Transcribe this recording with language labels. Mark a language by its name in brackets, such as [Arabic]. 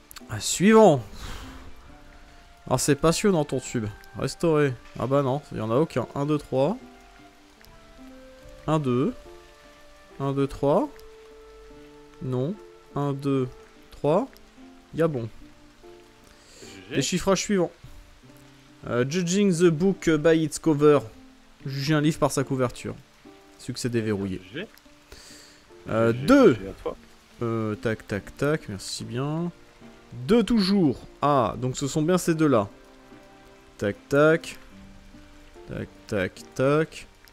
[French] Ah, suivant. Alors c'est passionnant ton tube. Restaurer. Ah bah non, il n'y en a aucun. 1, 2, 3. 1, 2. 1, 2, 3. Non. 1, 2, 3. Il y a bon. Les chiffrages suivants. [English] Judging the book by its cover. [French] Juger un livre par sa couverture. Succès déverrouillé. 2. Tac, tac, tac. Merci bien. 2 toujours. Ah, donc ce sont bien ces deux-là. Tac, tac. Tac, tac, tac.